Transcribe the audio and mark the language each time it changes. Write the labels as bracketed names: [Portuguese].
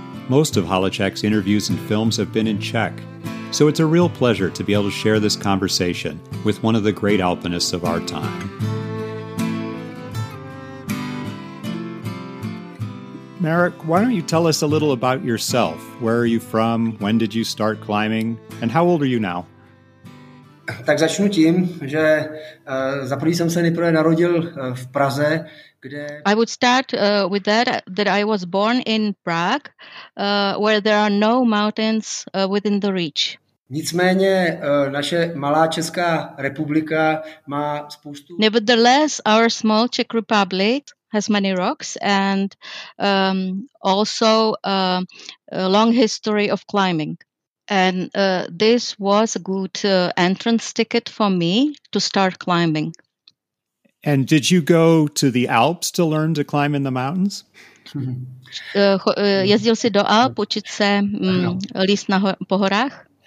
[English] Most of Holeček's interviews and films have been in Czech, so it's a real pleasure to be able to share this conversation with one of the great alpinists of our time. Marek, why don't you tell us a little about yourself? Where are you from? When did you start climbing? And how old are you now? [Czech] Tak začnu tím, že zaprvé jsem se nejprve narodil v Praze, kde... [English] I would start with that I was born in Prague, where there are no mountains within the reach. [Czech] Nicméně naše malá Česká republika má spoustu... [English] Nevertheless, our small Czech Republic has many rocks and also a long history of climbing. And this was a good entrance ticket for me to start climbing. And did you go to the Alps to learn to climb in the mountains? [Czech] Jezdil jsi do Alp učit se líst po horách?